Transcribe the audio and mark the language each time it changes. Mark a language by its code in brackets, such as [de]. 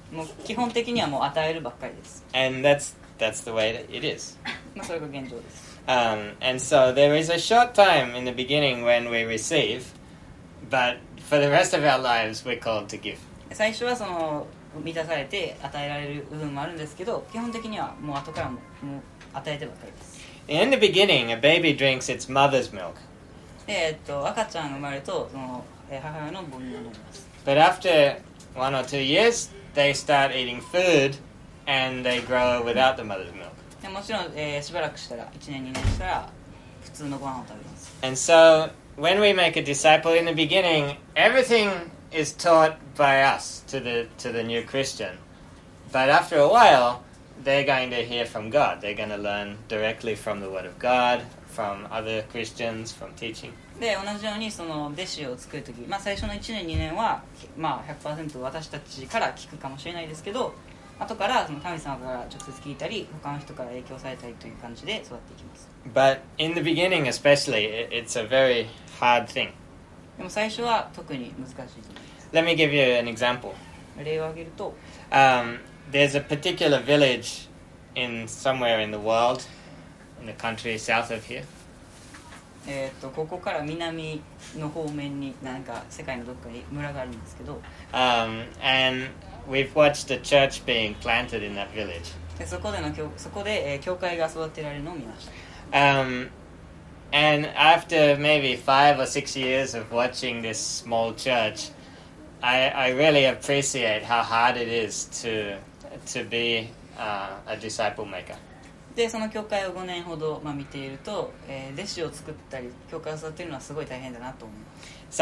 [ja] もう基本的にはもう与えるばっかりです。 [en] And that's the way it is. [ja] まあそれが現状です。 [en] And so there is a short time in the beginning when we receive, but for the rest of our lives we're called to give. [ja] 最初はその満たされて与えられる部分もあるんですけど、基本的にはもう後からもう与えてばっかりです。 [en] In the beginning, a baby drinks its mother's milk. [ja] 赤ちゃんが生まれるとその母親の母乳を飲みます。 [en] But after 1 or 2 years, they start eating food, and they grow without the mother's milk. [ja] もちろん、しばらくしたら、1年2年したら普通のご飯を食べます。 [en] And so, when we make a disciple in the beginning, everything is taught by us to the new Christian. But after a while, they're going to hear from God. They're going to learn directly from the Word of God, from other Christians, from teaching. [ja] で、同じようにその弟子を作るとき、まあ最初の1年2年は、まあ 100% 私たちから聞くかもしれないですけど、後からその神様から直接聞いたり、他の人から影響されたりという感じで育っていきます。 [en] But in the beginning especially, it's a very hard thing. [ja] でも最初は特に難しいと思います。 [en] Let me give you an example. [ja] 例を挙げると、 [en] There's a particular village in somewhere in the world, in the country south of here. [ja] ここから南の方面に何か世界のどっかに村があるんですけど、 [en] And we've watched a church being planted in that village. [ja] で、そこで、教会が育てられるのを見ました。 [en] And after maybe 5 or 6 years of watching this small church, I really appreciate how hard it is to be a disciple maker. [ja] で、その教会を5年ほど、まあ、見ていると、弟子を作ったり、教会を育てるのはすごい大変だなと思います。